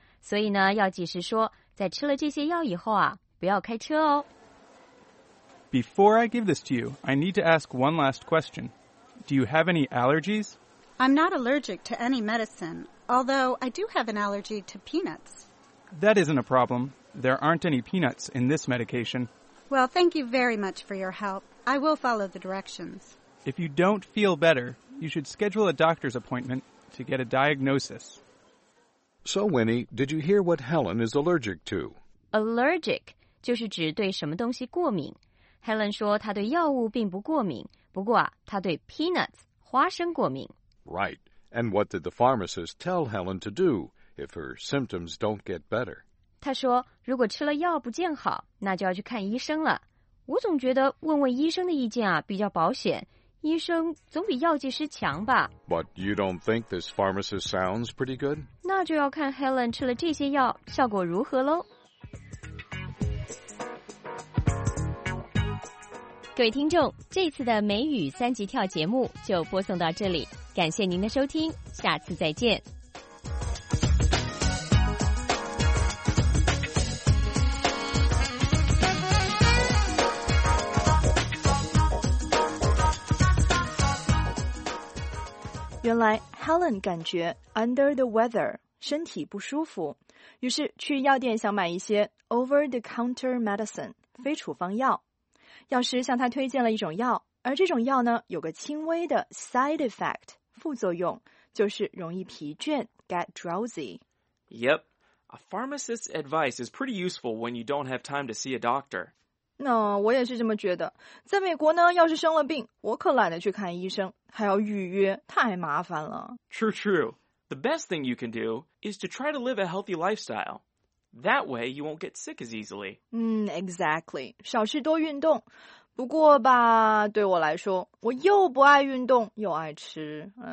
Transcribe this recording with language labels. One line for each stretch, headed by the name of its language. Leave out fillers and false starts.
Chinese: 所以呢药剂师说在吃了这些药以后啊不要开车哦。
English: Before I give this to you, I need to ask one last question. Do you have any allergies? I'm not allergic to any medicine, although I do have an allergy to peanuts. That isn't a problem. There aren't any peanuts in this medication. Well, thank you very much for your help. I will follow the directions. If you don't feel better, you should schedule a doctor's appointment to get a diagnosis. So, Winnie, did you hear what Helen is allergic to?
Chinese: Allergic 就是指对什么东西过敏。Helen 说她对药物并不过敏，不过啊，她对 peanuts 花生过敏。
English: Right. And what did the pharmacist tell Helen to do if her symptoms don't get better?
Chinese: 他说，如果吃了药不见好，那就要去看医生了。我总觉得问问医生的意见啊，比较保险。医生总比药剂师强吧。
English: But you don't think this pharmacist sounds pretty good?
Chinese: 那就要看 Helen 吃了这些药，效果如何喽。各位听众，这次的美语三级跳节目就播送到这里，感谢您的收听，下次再见。原来 Helen 感觉
English: under the weather
Chinese: 身体不舒服，于是去药店想买一些
English: over the counter medicine
Chinese: 非处方药。药师向他推荐了一种药，而这种药呢，有个轻微的
English: side effect
Chinese: 副作用，就是容易疲倦
English: get drowsy. Yep, a pharmacist's advice is pretty useful when you don't have time to see a doctor.
Chinese: 那我也是这么觉得，在美国呢，要是生了病，我可懒得去看医生，还要预约，太麻烦了。
English: True, true. The best thing you can do is to try to live a healthy lifestyle. That way, you won't get sick as easily. Exactly.
Chinese: 少吃多运动。不过吧，对我来说，我又不爱运动，又爱吃。